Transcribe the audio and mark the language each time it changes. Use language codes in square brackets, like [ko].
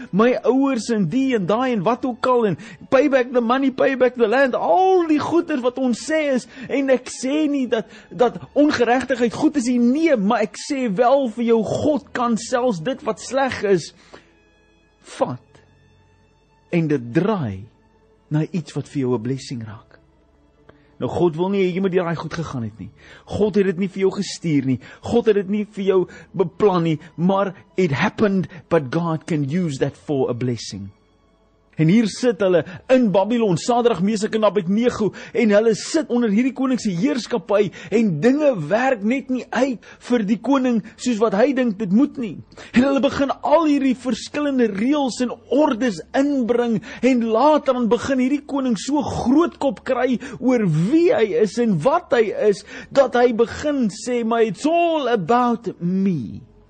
[af] My ouers en die en daai en wat ook al, en [en] payback the money, payback the land, [af] al die goeders wat ons sê is, en ek sê nie dat ongeregtigheid goed is nie, nee, maar ek sê wel vir jou, God kan selfs dit wat sleg is, vat, en dit draai na iets wat vir jou 'n blessing raak. Nou, God wil nie, jy moet hier goed gegaan het nie. God het dit nie vir jou gestuur nie. God het dit nie vir jou beplan nie. [en] Maar, it happened, but God can use that for a blessing. [af] En hier sit hulle in Babylon, Sadrag, Mesak en Abednego, en hulle sit onder hierdie koningse heerskappy, en dinge werk net nie uit vir die koning soos wat hy dink dit moet nie. En hulle begin al hierdie verskillende reëls en ordes inbring, en later dan begin hierdie koning so grootkop kry oor wie hy is en wat hy is, dat hy begin sê, [en] "My, it's all about me.